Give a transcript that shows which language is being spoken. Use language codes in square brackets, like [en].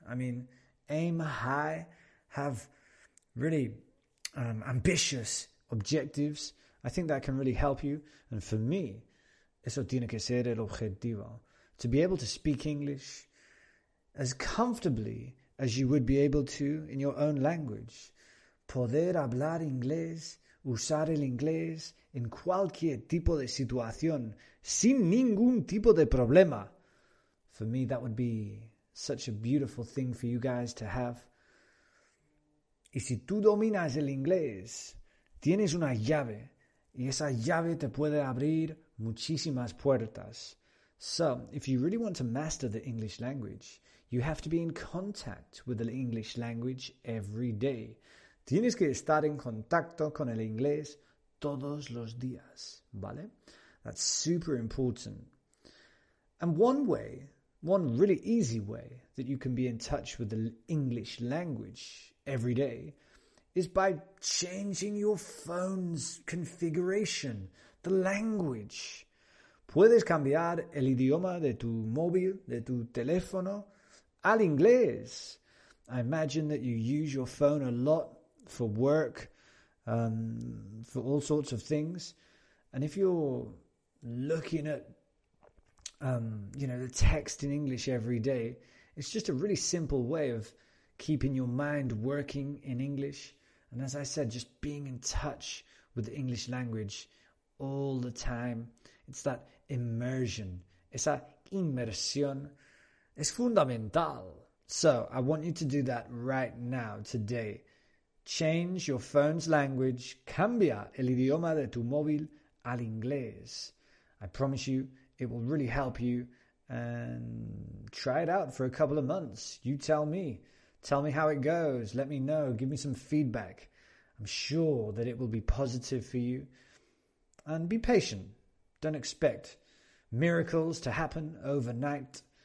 [en] I mean, aim high, have really ambitious objectives. I think that can really help you. And for me, [es] eso tiene que ser el objetivo. [en] To be able to speak English as comfortably as you would be able to in your own language. [es] Poder hablar inglés, usar el inglés en cualquier tipo de situación sin ningún tipo de problema. [en] For me, that would be such a beautiful thing for you guys to have. [es] Y si tú dominas el inglés, tienes una llave. Y esa llave te puede abrir muchísimas puertas. [en] So, if you really want to master the English language, you have to be in contact with the English language every day. [es] Tienes que estar en contacto con el inglés todos los días, ¿vale? [en] That's super important. And one way, one really easy way that you can be in touch with the English language every day is by changing your phone's configuration, the language. Puedes cambiar el idioma de tu móvil, de tu teléfono, al inglés. I imagine that you use your phone a lot for work, for all sorts of things. And if you're looking at, the text in English every day, it's just a really simple way of keeping your mind working in English. And as I said, just being in touch with the English language all the time. It's that immersion. [es] Esa inmersión es fundamental. [en] So I want you to do that right now, today. Change your phone's language. [es] Cambia el idioma de tu móvil al inglés. [en] I promise you, it will really help you. And try it out for a couple of months. You tell me. Tell me how it goes. Let me know. Give me some feedback. I'm sure that it will be positive for you. And be patient. Don't expect miracles to happen overnight.